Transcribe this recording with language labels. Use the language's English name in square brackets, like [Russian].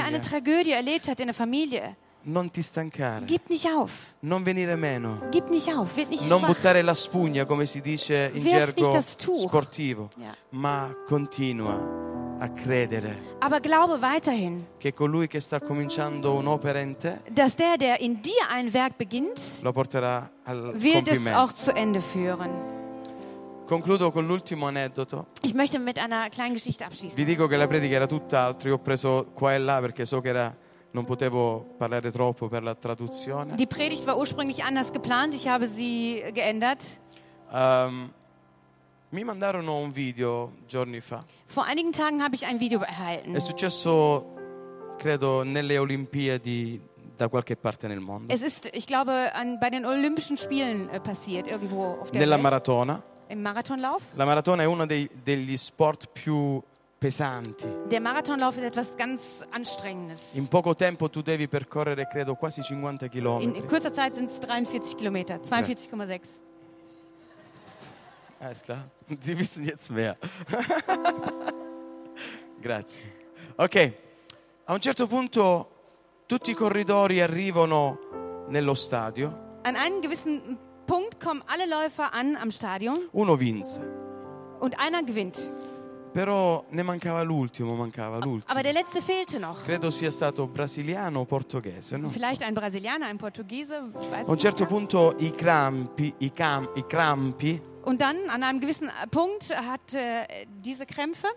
[German] wer eine Tragödie erlebt hat in der Familie. [Italian] Non ti stancare. [German] Gib nicht auf. [Italian] Non venire meno. [German] Gib nicht auf. Wird nicht [Italian] non [German] schwach. [Italian] Buttare la spugna, come si dice in [German] Werf [Italian] gergo [German] Tuch. [Italian] Sportivo. Yeah. Ma continua. A credere, [German] aber glaube weiterhin, [Italian] che colui che sta cominciando un'opera in te, [German] dass der in dir ein Werk beginnt, [Italian] lo porterà al [German] wird [Italian] compimento. [German] Es auch zu Ende führen. [Italian] Concludo con l'ultimo aneddoto. [German] Ich möchte mit einer kleinen Geschichte abschließen. [Italian] Vi dico che la predica era tutt'altro. Io ho preso qua e là perché so che era non potevo parlare troppo per la traduzione. [German] Die Predigt war ursprünglich anders geplant. Ich habe sie geändert. [Italian] Mi mandarono un video giorni fa. [German] Vor einigen Tagen habe ich ein Video erhalten. [Italian] È successo, credo, nelle Olimpiadi da qualche parte nel mondo. [German] Es ist, ich glaube, bei den Olympischen Spielen passiert irgendwo auf der [Italian] nella [German] Welt. [Italian] Nella maratona. [German] Im Marathonlauf. [Italian] La maratona è uno degli sport più pesanti. [German] Der Marathonlauf ist etwas ganz Anstrengendes. [Italian] In poco tempo tu devi percorrere, credo, quasi 50 km. [German] In kurzer Zeit sind es 43 Kilometer, 42,6. Okay. Alles klar, Sie wissen jetzt mehr. [Italian] Grazie. Okay, a un certo punto tutti i corridori arrivano nello stadio. [German] An einem gewissen Punkt kommen alle Läufer an am Stadion. [Italian] Uno vince. [German] Und einer gewinnt. [Italian] Però ne mancava l'ultimo, mancava l'ultimo. [German] Aber der letzte fehlte noch. [Italian] Credo sia stato brasiliano o portoghese, non [German] vielleicht [Italian] so. [German] Ein Brasilianer, ein Portugiese, weiß [Italian] a un certo [German] nicht. [Italian] Punto i crampi. [German] Und dann an einem gewissen Punkt hat diese Krämpfe.